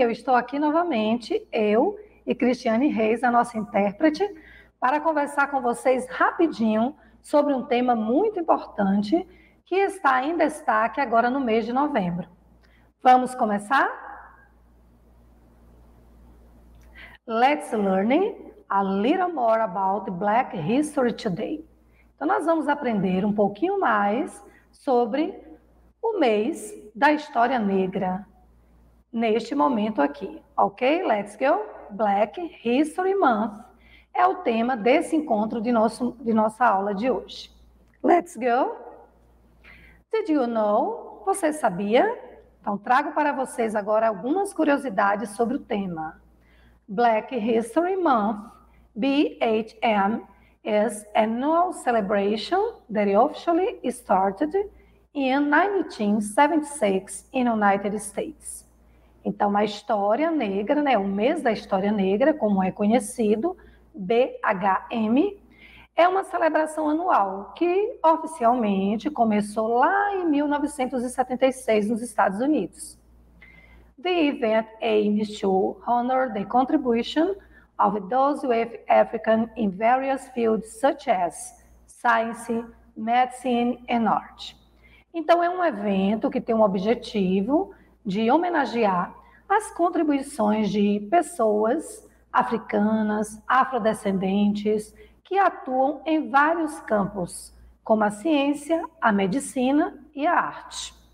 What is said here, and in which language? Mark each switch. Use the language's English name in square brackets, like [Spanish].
[Portuguese] Eu estou aqui novamente, eu e Cristiane Reis, a nossa intérprete, para conversar com vocês rapidinho sobre um tema muito importante que está em destaque agora no mês de novembro. Vamos começar? [English] Let's learning a little more about Black History today. [Portuguese] Então, nós vamos aprender um pouquinho mais sobre o mês da história negra neste momento aqui, ok? [English] Let's go. [Portuguese] Black History Month é o tema desse encontro de nossa aula de hoje. [English] Let's go. Did you know? [Portuguese] Você sabia? Então, trago para vocês agora algumas curiosidades sobre o tema. [English] Black History Month, BHM, is annual celebration that officially started in 1976 in United States. [Portuguese] Então, a história negra, né, o mês da história negra, como é conhecido, BHM, é uma celebração anual que oficialmente começou lá em 1976 nos Estados Unidos. [English] The event aims to honor the contribution of those with African in various fields such as science, medicine and art. [Portuguese] Então, é um evento que tem o objetivo de homenagear as contribuições de pessoas africanas, afrodescendentes, que atuam em vários campos, como a ciência, a medicina e a arte.